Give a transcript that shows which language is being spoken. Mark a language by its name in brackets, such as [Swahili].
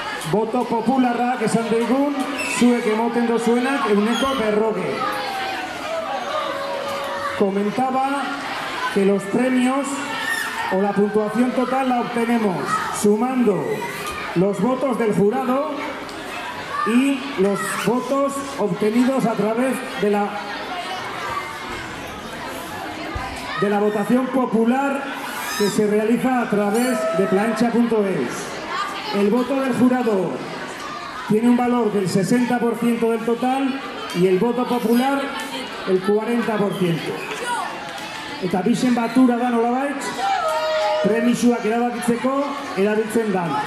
[Basque] Boto popularrak esan daigun, zuek emoten dozuenak euneko berroge. [Spanish] Comentaba que los premios o la puntuación total la obtenemos sumando los votos del jurado y los votos obtenidos a través de la votación popular que se realiza a través de plancha.es. El voto del jurado tiene un valor del 60% del total y el voto popular el 40%. [Basque] Eta bixen batura da nolabait, premisuak erabakitzeko erabiltzen da.